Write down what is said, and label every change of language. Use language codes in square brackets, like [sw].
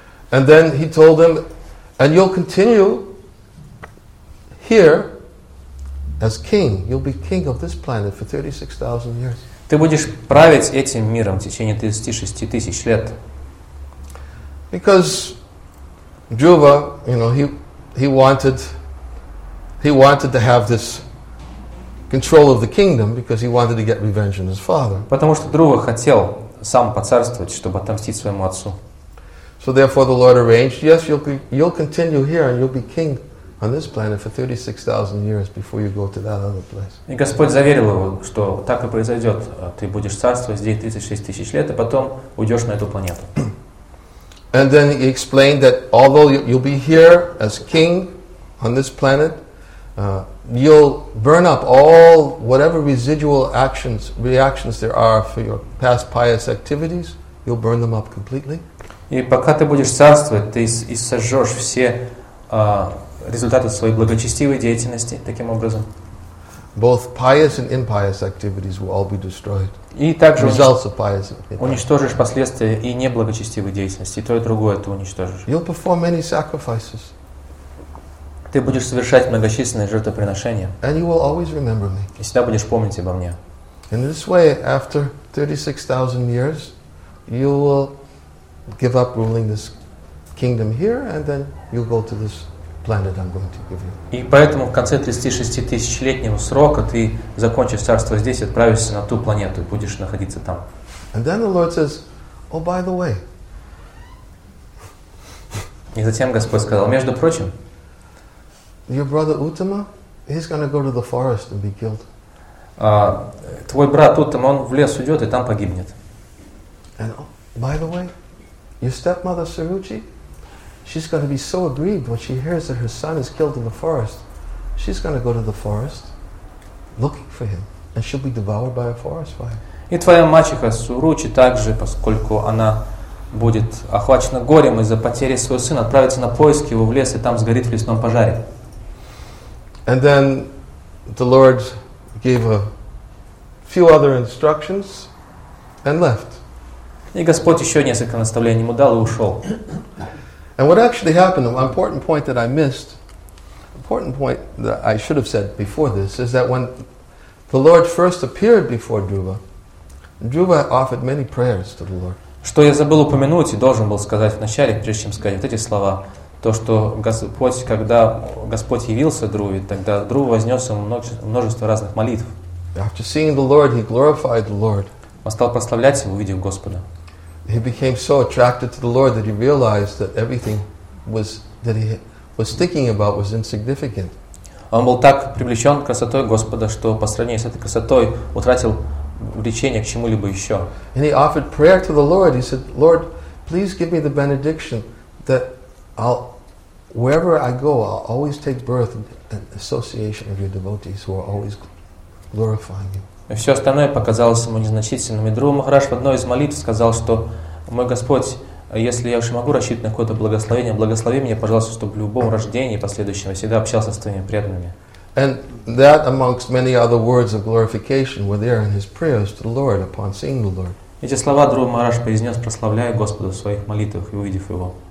[en] And then he told them, and you'll continue here as king. You'll be king of this planet for 36,000 years. [ru] Ты будешь править этим миром в течение 36 тысяч лет. [en] Because Dhruva, you know, he wanted to have this control of the kingdom because he wanted to get revenge on his father. [ru] Потому что Друва хотел сам поцарствовать, чтобы отомстить своему отцу. [en] So therefore, the Lord arranged, yes, you'll continue here and you'll be king on this planet for 36,000 years before you go to that other place. [ru] И Господь заверил его, что так и произойдет. Ты будешь царствовать здесь 36 тысяч лет, а потом уйдешь на эту планету. [en] And then he explained that although you'll be here as king on this planet, you'll burn up all whatever residual actions, reactions there are for your past pious activities. You'll burn them up completely. [ru] И пока ты будешь царствовать, ты и сожжешь все результаты своей благочестивой деятельности таким образом. [en] Both pious and impious activities will all be destroyed. [ru] И также уничтожишь последствия и неблагочестивой деятельности, и то и другое ты уничтожишь. [en] You'll perform many sacrifices. [ru] Ты будешь совершать многочисленные жертвоприношения. [en] And you will always remember me. [ru] И всегда будешь помнить обо мне. [en] In this way, after 36,000 years, you will give up ruling this kingdom here, and then you'll go to this planet I'm going to give you. [ru] И поэтому в конце 36-тысячелетнего срока ты закончишь царство здесь, отправишься на ту планету и будешь находиться там. [en] And then the Lord says, "Oh, by the way." [ru] И затем Господь сказал: между прочим, [en] your brother Uttama, he's going to go to the forest and be killed. [ru] Твой брат Уттама, он в лес уйдет и там погибнет. [en] And by the way, your stepmother Saruchi, she's going to be so aggrieved when she hears that her son is killed in the forest. She's going to go to the forest looking for him, and she'll be devoured by a forest fire. [ru] И твоя мачеха Суручи также, поскольку она будет охвачена горем из-за потери своего сына, отправится на поиски его в лес и там сгорит в лесном пожаре. [en] And then the Lord gave a few other instructions and left. [ru] И Господь еще несколько наставлений ему дал и ушел. [en] And what actually happened, an important point that I missed, important point that I should have said before this, is that when the Lord first appeared before Dhruva, Dhruva offered many prayers to the Lord. [ru] Что я забыл упомянуть и должен был сказать вначале, прежде чем сказать вот эти слова, то, что Господь, когда Господь явился Друве, тогда Друва вознес ему множество разных молитв. [en] After seeing the Lord, he glorified the Lord. [ru] Он стал прославлять его, увидев Господа. [en] He became so attracted to the Lord that he realized that everything was that he was thinking about was insignificant. [ru] Он был так привлечен красотой Господа, что по сравнению с этой красотой утратил влечение к чему-либо еще. [en] And he offered prayer to the Lord. He said, "Lord, please give me the benediction that I'll, wherever I go, I'll always take birth in association of your devotees who are always glorifying you." [ru] И все остальное показалось ему незначительным. И Друва Махарадж в одной из молитв сказал, что «Мой Господь, если я уж могу рассчитывать на какое-то благословение, благослови меня, пожалуйста, чтобы в любом рождении последующем я всегда общался с твоими преданными». [en] And that, amongst many other words of glorification, were there in his prayers to the Lord upon seeing the Lord. [ru] Эти слова Друва Махарадж произнес, прославляя Господа в своих молитвах и увидев его.